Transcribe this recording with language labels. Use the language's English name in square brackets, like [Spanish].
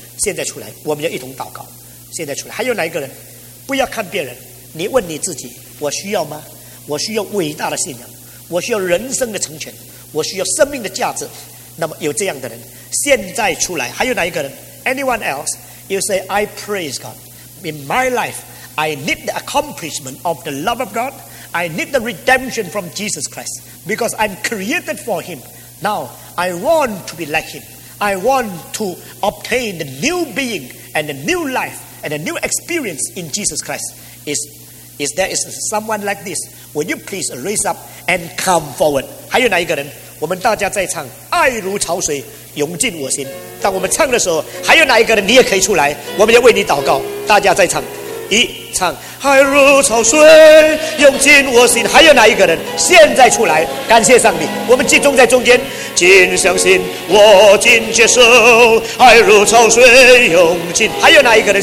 [Chinese] 现在出来，我们要一同祷告，现在出来。还有哪一个人？不要看别人，你问你自己，我需要吗？我需要伟大的信仰，我需要人生的成全，我需要生命的价值。那么有这样的人现在出来。还有哪一个人？ [English] Anyone else? You say, I praise God. In my life, I need the accomplishment of the love of God. I need the redemption from Jesus Christ. Because I'm created for Him. Now, I want to be like Him. I want to obtain the new being and a new life and a new experience in Jesus Christ. Is there is someone like this? Will you please raise up and come forward? [Chinese] 还有哪一个人？我们大家在唱《爱如潮水涌进我心》。当我们唱的时候，还有哪一个人？你也可以出来，我们要为你祷告。大家在唱，一唱《爱如潮水涌进我心》。还有哪一个人？现在出来，感谢上帝。我们集中在中间，尽相信，我尽接受，爱如潮水涌进。还有哪一个人？